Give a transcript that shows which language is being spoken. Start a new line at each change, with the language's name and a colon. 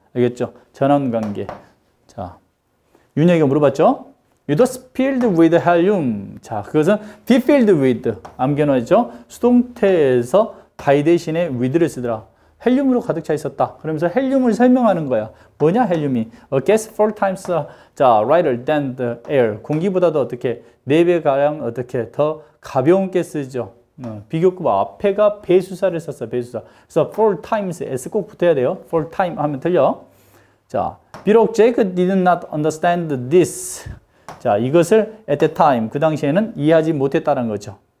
Korean: 알겠죠? 전환 관계. 자, 윤혁이가 물어봤죠?
English: It was filled with helium.
Korean: 자, 그것은
English: be filled with.
Korean: 암기해놓죠? 수동태에서 by 대신에 with를 쓰더라. 헬륨으로 가득 차 있었다. 그러면서 헬륨을 설명하는 거야. 뭐냐 헬륨이?
English: A gas four times lighter than the air.
Korean: 공기보다도 어떻게 네 배가량 어떻게 더 가벼운 가스죠. 비교급 앞에가 배수사를 썼어. 배수사. 그래서 four times s 꼭 붙어야 돼요. four time 하면 틀려. 자, 비록
English: 제이크 did not understand this.
Korean: 자, 이것을 at the time 그 당시에는 이해하지 못했다는 거죠.